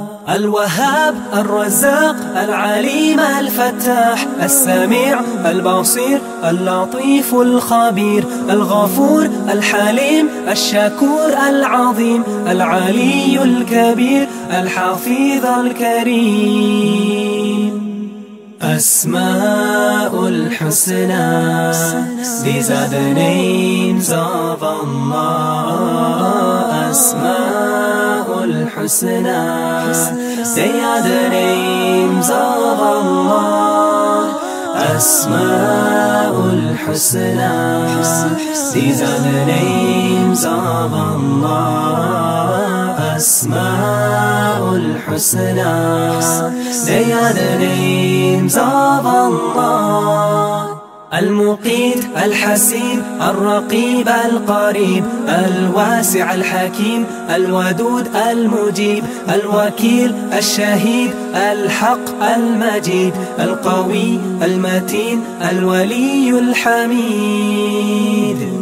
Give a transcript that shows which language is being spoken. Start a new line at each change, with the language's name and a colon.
Arabic: الوهاب الرزاق العليم الفتاح السميع البصير اللطيف الخبير الغفور الحليم الشكور العظيم العلي الكبير الحفيظ الكريم. أسماء الحسنى.
English: These are the names of Allah.
Arabic: أسماء الحسنى.
English: They are the names of Allah.
Arabic: أسماء الحسنى.
English: These are the names of Allah.
Arabic: أسماء الحسنى.
English: They are the names of Allah.
Arabic: المقيت الحسيب الرقيب القريب الواسع الحكيم الودود المجيب الوكيل الشهيد الحق المجيد القوي المتين الولي الحميد.